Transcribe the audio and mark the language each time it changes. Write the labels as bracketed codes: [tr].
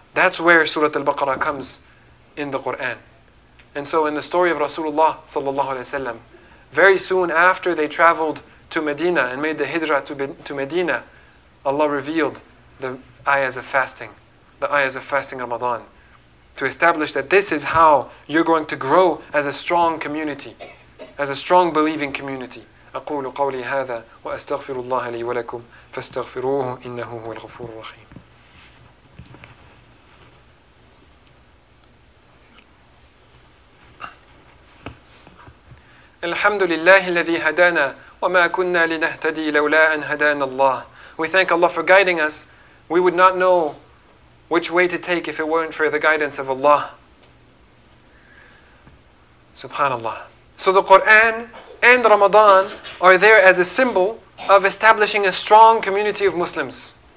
[en] That's where Surah Al-Baqarah comes in the Quran. And so in the story of Rasulullah sallallahu alaihi wasallam, very soon after they traveled to Medina and made the hijrah to Medina, Allah revealed the ayahs of fasting, the ayahs of fasting Ramadan, to establish that this is how you're going to grow as a strong community, as a strong believing community. [ar] أقول قولي هذا وأستغفر الله لي ولكم فاستغفروه إنه هو الغفور الرحيم. الحمد لله الذي هدانا وما كنا لنهتدي لولا أن هدانا الله. [en] We thank Allah for guiding us. We would not know which way to take if it weren't for the guidance of Allah. Subhanallah. So the Quran and Ramadan are there as a symbol of establishing a strong community of Muslims.